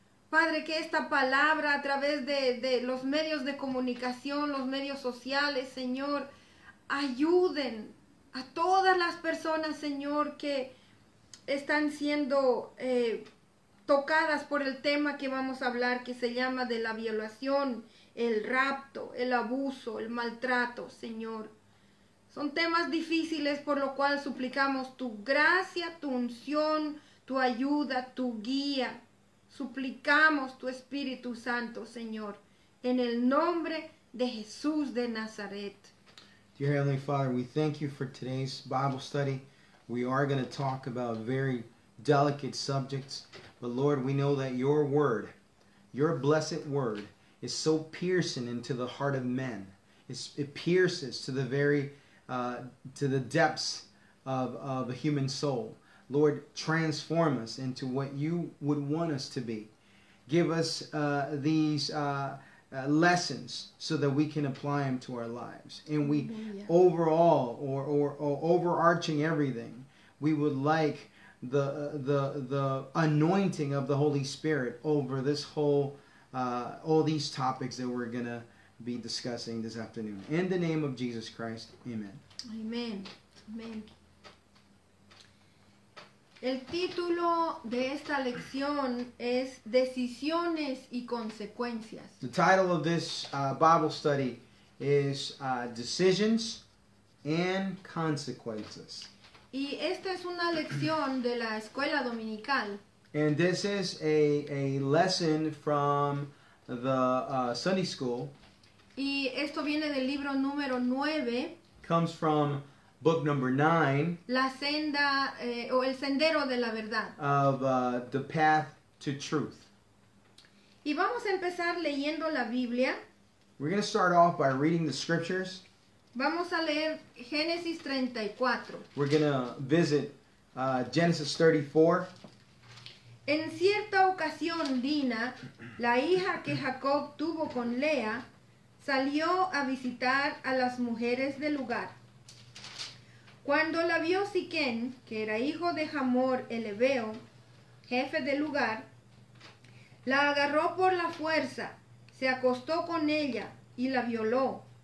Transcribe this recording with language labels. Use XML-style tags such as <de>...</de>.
<es>Padre, que esta palabra a través de los medios de comunicación, los medios sociales, Señor, ayuden a todas las personas, Señor, que están siendo tocadas por el tema que vamos a hablar, que se llama de la violación, el rapto, el abuso, el maltrato, Señor. Son temas difíciles, por lo cual suplicamos tu gracia, tu unción, tu ayuda, tu guía. Suplicamos tu Espíritu Santo, Señor, en el nombre de Jesús de Nazaret.</es> <en>Dear Heavenly Father, we thank you for today's Bible study. We are going to talk about very delicate subjects. But Lord, we know that your word, your blessed word, is so piercing into the heart of men. It pierces to the very, to the depths of a human soul. Lord, transform us into what you would want us to be. Give us these lessons so that we can apply them to our lives. And we, yeah. Overall, or overarching everything, we would like the anointing of the Holy Spirit over this whole all these topics that we're gonna be discussing this afternoon. In the name of Jesus Christ, amen. Amen. Amen.</en> <es>El título de esta lección es Decisiones y Consecuencias.</es> <en>The title of this Bible study is Decisions and Consequences.</en> <es>Y esta es una lección de la escuela dominical.</es> <en>And this is a lesson from the Sunday school.</en> <es>Y esto viene del libro número 9.</es> <en>Comes from book number 9.</en> <es>La senda, o el sendero de la verdad.</es> <en>Of the path to truth.</en> <es>Y vamos a empezar leyendo la Biblia.</es> <en>We're going to start off by reading the scriptures.</en> <es>Vamos a leer Génesis 34.</es> <en>We're going to visit Genesis 34.</en> <es>En cierta ocasión, Dina, la hija que Jacob tuvo con Lea, salió a visitar a las mujeres del lugar. Cuando la vio Siquén, que era hijo de Hamor el Heveo, jefe del lugar, la agarró por la fuerza, se acostó con ella y la violó.</es>